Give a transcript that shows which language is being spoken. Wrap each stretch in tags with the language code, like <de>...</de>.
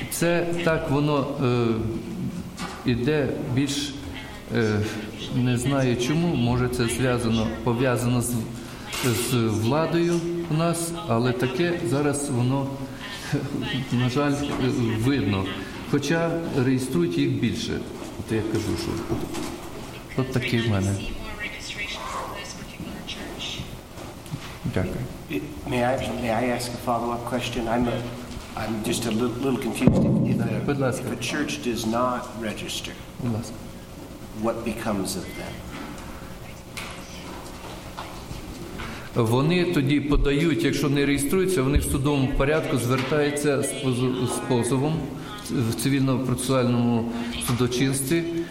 <uk>Це так воно іде більш, не знаю чому, може це пов'язано з владою у нас, але таке зараз воно, на жаль, видно. Хоча реєструють їх більше. От я кажу, що от такий в мене. Дякую.</uk> <en>May I ask a follow-up question? I'm just a little confused. If a church does not register, what becomes of them?</en> <uk>Вони тоді подають, якщо не реєструються, вони в судовому порядку звертаються з позовом в цивільно-процесуальному судочинстві.</uk>